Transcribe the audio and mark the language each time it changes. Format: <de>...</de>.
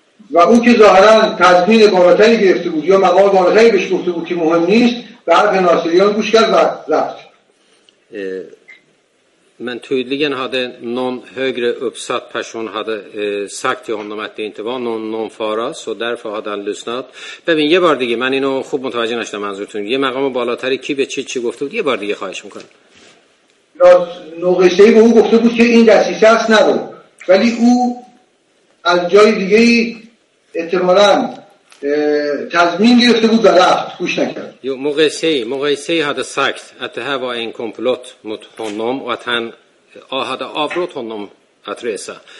<fa>و او که ظاهراً تضمین بالاتری گرفته بود یا مقام بالاتری بهش گفته بود که مهم نیست، بعد به ناصریان گوش کرد و رفت.</fa> <sv>Men tydligen hade någon högre uppsatt person hade sagt till honom att det inte var någon fara, så därför hade han lyssnat.</sv> <fa>ببین یه بار دیگه، من اینو خوب متوجه نشدم منظورتون. یه مقام بالاتری کی به چی گفته بود؟ یه بار دیگه خواهش میکنم. نوغیسهی به او گفته بود که این دستیسه هست نبود، ولی او از جای دیگه احتمالاً تضمین گرفته بود و رفت، گوش نکرد.</fa> <sv>Jo, Mugaysei hade sagt att det här var en komplott mot honom och att han hade avrått honom att resa.</sv>